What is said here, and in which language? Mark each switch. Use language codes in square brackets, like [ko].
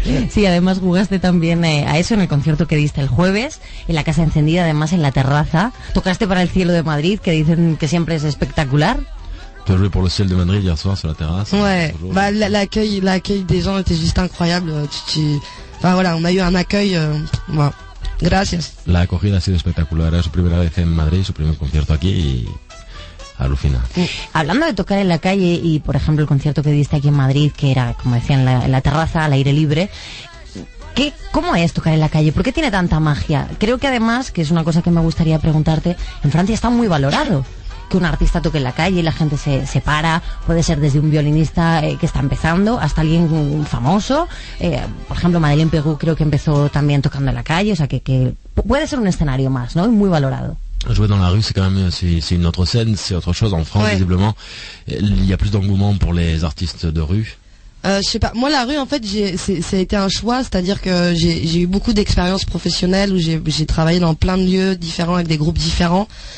[es] Sí, además jugaste también a eso en el concierto que diste el jueves, en la Casa Encendida, además en la terraza. Tocaste para el cielo de Madrid, que dicen que siempre es espectacular. [fr] Tu as joué pour le ciel de Madrid hier soir sur la terrasse. Ouais, bah, l'accueil des gens était juste incroyable. Enfin voilà, on a eu un accueil. [es] Bon. Gracias. La acogida ha sido espectacular. Era su primera vez en Madrid, su primer concierto aquí y alucina. Hablando de tocar en la calle y, por ejemplo, el concierto que diste aquí en Madrid, que era, como decían, en la terraza, al aire libre. ¿Cómo es tocar en la calle? ¿Por qué tiene tanta magia? Creo que además, que es una cosa que me gustaría preguntarte, en Francia está muy valorado. Que un artista toque en la calle y la gente se para, puede ser desde un violinista que está empezando hasta alguien famoso, por ejemplo Madeleine Peru creo que empezó también tocando en la calle, o sea que puede ser un escenario más, ¿no? Y muy valorado. [fr] Jouer dans la rue, c'est quand même c'est une autre scène, c'est autre chose. En France, ouais, visiblement, il y a plus d'engouement pour les artistes de rue. Je sais pas. Moi, la rue, en fait, ça a été un choix. C'est-à-dire que j'ai eu beaucoup d'expériences professionnelles où j'ai travaillé dans plein de lieux différents avec des groupes différents.